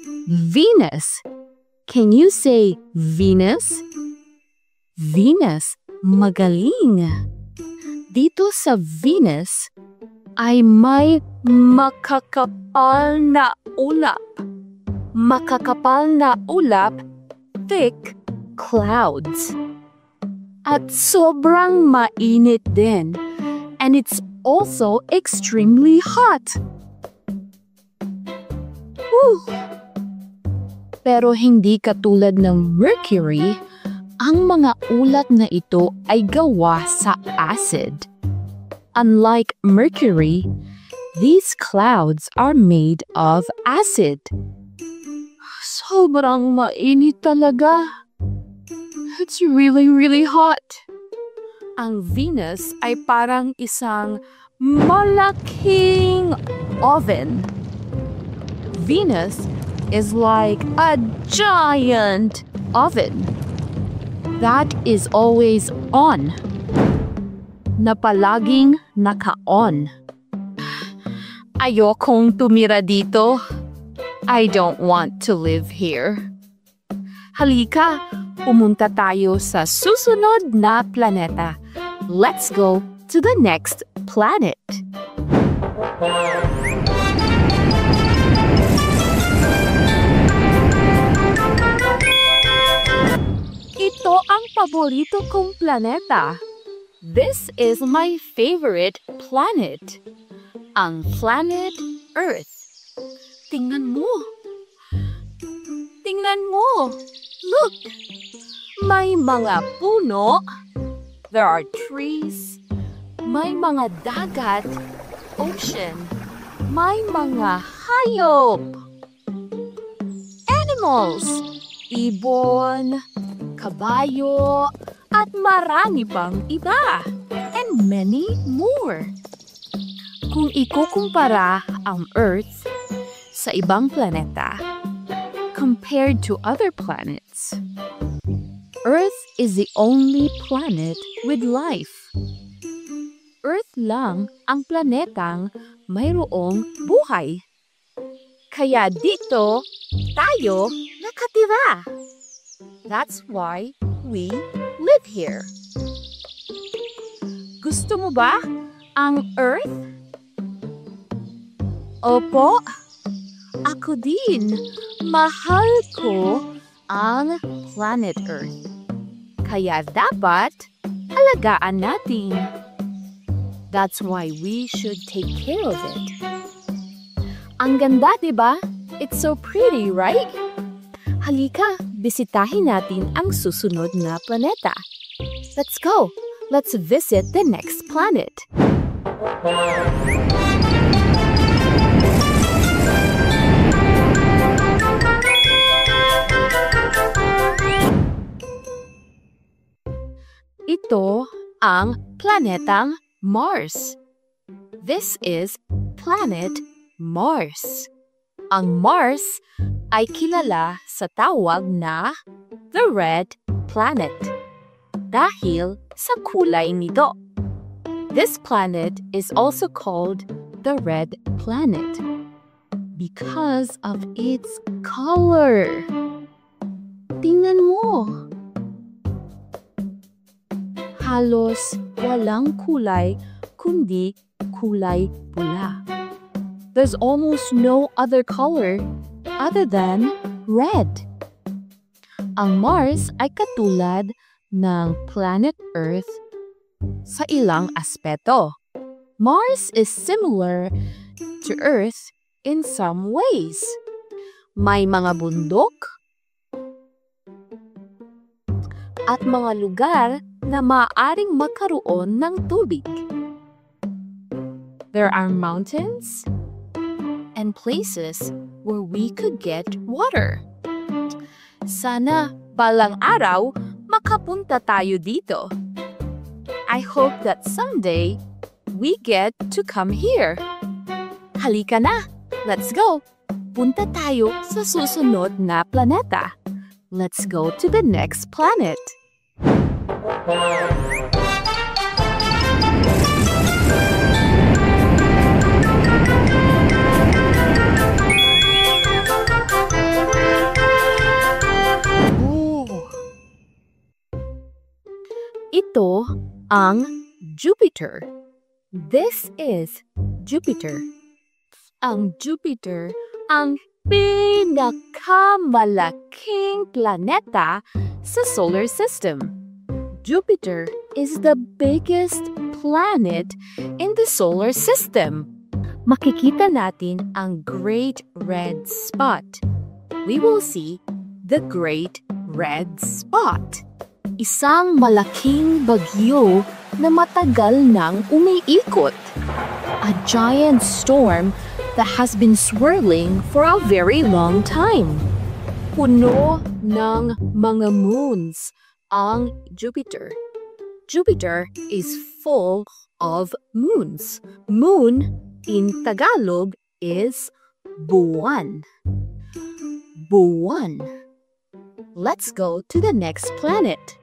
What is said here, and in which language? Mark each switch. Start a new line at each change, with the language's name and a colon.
English: Venus. Can you say Venus?
Filipino: Venus, magaling. Dito sa Venus, ay may makakapal na ulap. Makakapal na ulap,
English: thick clouds.
Filipino: At sobrang mainit din.
English: And it's also extremely hot. Whew.
Filipino: Pero hindi katulad ng Mercury, ang mga ulat na ito ay gawa sa acid.
English: Unlike Mercury, these clouds are made of acid.
Filipino: Sobrang mainit talaga.
English: It's really, really hot.
Filipino: Ang Venus ay parang isang malaking oven.
English: Venus is like a giant oven that is always on.
Filipino: Na palaging naka-on. Ayokong tumira dito.
English: I don't want to live here.
Filipino: Halika, pumunta tayo sa susunod na planeta.
English: Let's go to the next planet.
Filipino: Ito ang paborito kong planeta.
English: This is my favorite planet.
Filipino: Ang planet Earth. Tingnan mo. Tingnan mo.
English: Look.
Filipino: May mga puno.
English: There are trees.
Filipino: May mga dagat.
English: Ocean.
Filipino: May mga hayop.
English: Animals.
Filipino: Ibon. Kabayo. At marami pang iba.
English: And many more.
Filipino: Kung ikukumpara ang Earth sa ibang planeta,
English: compared to other planets, Earth is the only planet with life.
Filipino: Earth lang ang planetang mayroong buhay. Kaya dito tayo nakatira.
English: That's why we live here.
Filipino: Gusto mo ba ang Earth? Opo, ako din. Mahal ko ang planet Earth. Kaya dapat alagaan natin.
English: That's why we should take care of it.
Filipino: Ang ganda, diba?
English: It's so pretty, right?
Filipino: Halika, bisitahin natin ang susunod na planeta.
English: Let's go. Let's visit the next planet.
Filipino: Ito ang planetang Mars.
English: This is planet Mars.
Filipino: Ang Mars ay kilala sa tawag na
English: the Red Planet
Filipino: dahil sa kulay nito.
English: This planet is also called the Red Planet because of its color.
Filipino: Tingnan mo! Halos walang kulay kundi kulay pula.
English: There's almost no other color other than red.
Filipino: Ang Mars ay katulad ng planet Earth sa ilang aspeto.
English: Mars is similar to Earth in some ways.
Filipino: May mga bundok at mga lugar na maaaring magkaroon ng tubig.
English: There are mountains and places where we could get water.
Filipino: Sana balang araw makapunta tayo dito.
English: I hope that someday we get to come here.
Filipino: Halika na!
English: Let's go!
Filipino: Punta tayo sa susunod na planeta.
English: Let's go to the next planet. Ooh. ang Jupiter. This is Jupiter.
Filipino: Ang Jupiter ang pinakamalaking planeta sa solar system.
English: Jupiter is the biggest planet in the solar system.
Filipino: Makikita natin ang great red spot.
English: We will see the great red spot.
Filipino: Isang malaking bagyo na matagal nang umiikot.
English: A giant storm that has been swirling for a very long time.
Filipino: Puno ng mga moons ang Jupiter.
English: Jupiter is full of moons. Moon in Tagalog is buwan.
Filipino: Buwan.
English: Let's go to the next planet.